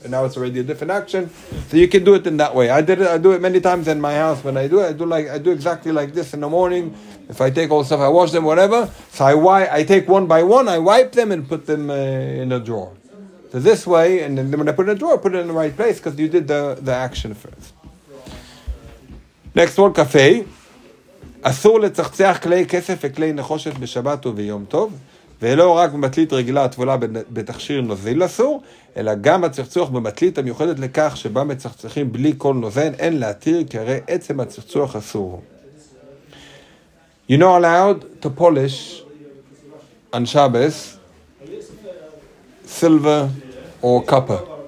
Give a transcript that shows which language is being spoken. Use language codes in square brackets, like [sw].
[en] And now it's already a different action. So you can do it in that way. I do it many times in my house when I do exactly like this in the morning. If I take all the stuff, I wash them, whatever. So I take one by one, I wipe them and put them in a drawer. So this way, and then when I put it in a drawer, put it in the right place because you did the action first. Next one, cafe. [he] אסור לצחצח כלי כסף וכלי נחושת בשבת וביום טוב, ולא רק במטלית רגילה התבולה בתכשיר נוזיל אסור, אלא גם הצחצוח במטלית המיוחדת לכך שבה מצחצחים בלי כל נוזן, אין להתיר, כי הרי עצם הצחצוח אסור. [en] You're not allowed to polish on Shabbos silver or copper.